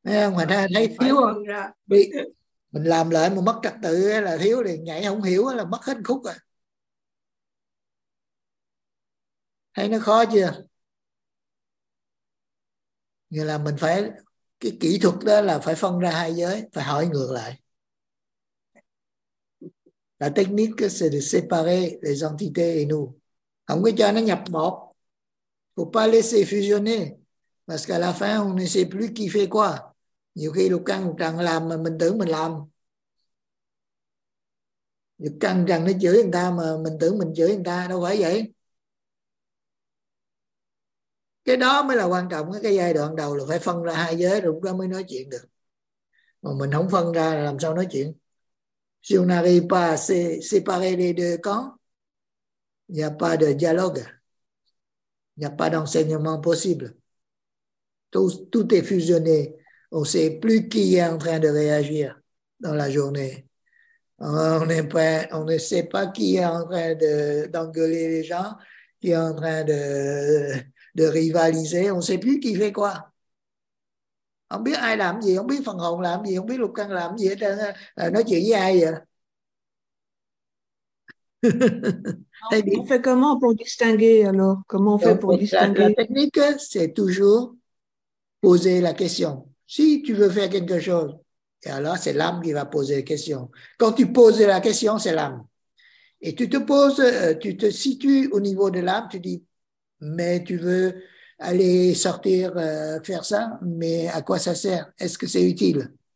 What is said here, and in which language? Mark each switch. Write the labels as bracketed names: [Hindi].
[Vietnamese] Ngoài ra thấy thiếu không? Mình làm lại mà mất trật tự là thiếu thì nhảy không hiểu là mất hết khúc rồi. Thấy nó khó chưa? Như là mình phải cái kỹ thuật đó là phải phân ra hai giới, phải hỏi ngược lại. [French] La technique c'est de séparer les entités et nous. [Vietnamese] Không có cho nó nhập một. [French] Faut pas laisser fusionner parce qu'à la fin on ne sait plus qui fait quoi. [Vietnamese] Nhiều khi lục căn lục trần làm mà mình tưởng mình làm. Lục căn lục trần nó chửi người ta mà mình tưởng mình chửi người ta, đâu phải vậy. Cái đó mới là quan trọng, cái giai đoạn đầu là phải phân ra hai giới rồi đó mới nói chuyện được. Mà mình không phân ra là làm sao nói chuyện? [French] Si on n'arrive pas à se séparer les deux camps, il n'y a pas de dialogue. Il n'y a pas d'enseignement possible. Tout est fusionné. On ne sait plus qui est en train de réagir dans la journée. On ne sait pas qui est en train d'engueuler les gens, qui est en train de rivaliser. On ne sait plus qui fait quoi. [Vietnamese] Không biết ai làm gì, không biết phần hồn làm gì, không biết lục căn làm gì hết trơn, nói chuyện với ai vậy? Thầy biết. [French] On fait comment pour distinguer alors? Comment on fait pour distinguer? La technique, c'est toujours poser la question. Si tu veux faire quelque chose, et alors c'est l'âme qui va poser la question. Quand tu poses la question, c'est l'âme. Et tu te poses, tu te situes au niveau de l'âme, tu dis, mais tu veux aller sortir faire ça, mais à quoi ça sert? Est-ce que c'est utile?